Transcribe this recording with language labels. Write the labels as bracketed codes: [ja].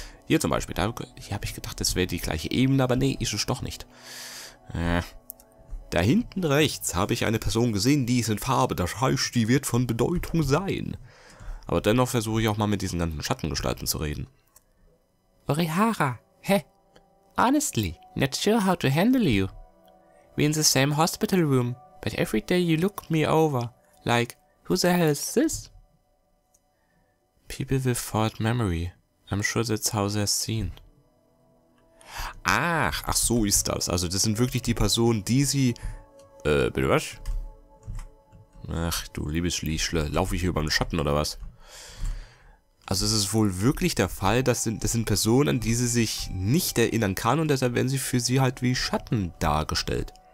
[de] Hier zum Beispiel, da, hier habe ich gedacht, das wäre die gleiche Ebene, aber nee, ist es doch nicht. Da hinten rechts habe ich eine Person gesehen, die ist in Farbe. Das heißt, die wird von Bedeutung sein. Aber dennoch versuche ich auch mal mit diesen ganzen Schattengestalten zu reden. Orihara, hä? [en] Honestly, not sure how to handle you. We in the same hospital room, but every day you look me over. Like, who the hell is this? People with fond memory. I'm sure that's how they're seen. [de] Ach so ist das. Also das sind wirklich die Personen, die sie... bitte was? Ach du liebes Schlischle, laufe ich hier über den Schatten oder was? Also es ist wohl wirklich der Fall, das sind Personen, an die sie sich nicht erinnern kann und deshalb werden sie für sie halt wie Schatten dargestellt.